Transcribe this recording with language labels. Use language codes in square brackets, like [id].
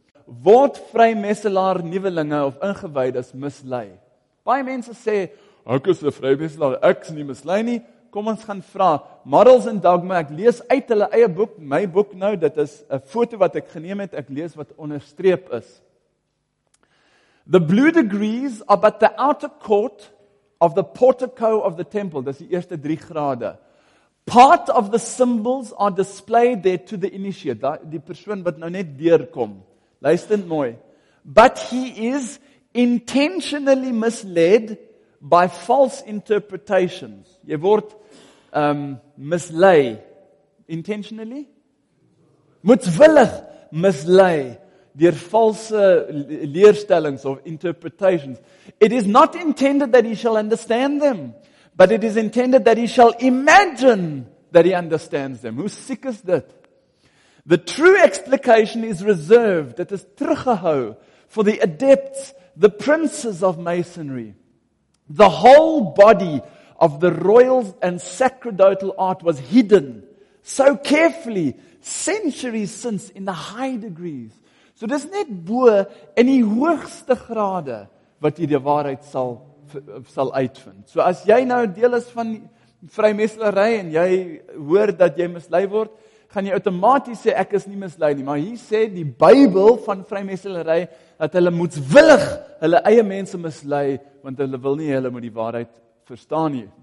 [af] Word vrymesselaar nuwelinge of ingewijdes mislei? Baie mense sê, ek is 'n vrymesselaar, ek is nie mislei nie. Kom ons gaan vra, Morals and Dogma, ek lees uit hulle eie boek, my boek nou, dit is 'n foto wat ek geneem het, ek lees wat onderstreep is. [en] "The blue degrees are but the outer court of the portico of the temple," [af] dis die eerste 3 grade. [en] "Part of the symbols are displayed there to the initiate," [af] die persoon wat nou net deurkom. Luister mooi. [en] "But he is intentionally misled by false interpretations." [af] Jy word mislei. [en] Intentionally? [af] Moedwillig mislei deur valse leerstellings of interpretations. [en] "It is not intended that he shall understand them, but it is intended that he shall imagine that he understands them." [af] Hoe sick is dit? [en] "The true explication is reserved," [af] dit is teruggehou, [en] "for the adepts, the princes of masonry. The whole body of the royal and sacerdotal art was hidden so carefully centuries since in the high degrees." [af] So dis net bo in die hoogste grade wat jy die waarheid sal uitvind. So as jy nou deel is van vrymesselary en jy hoor dat jy mislei word, gaan jy outomaties sê ek is nie mislei nie, maar hier sê die Bybel van vrymesselary dat hulle moedswillig hulle eie mense mislei, want hulle wil nie hulle moet die waarheid verstaan nie.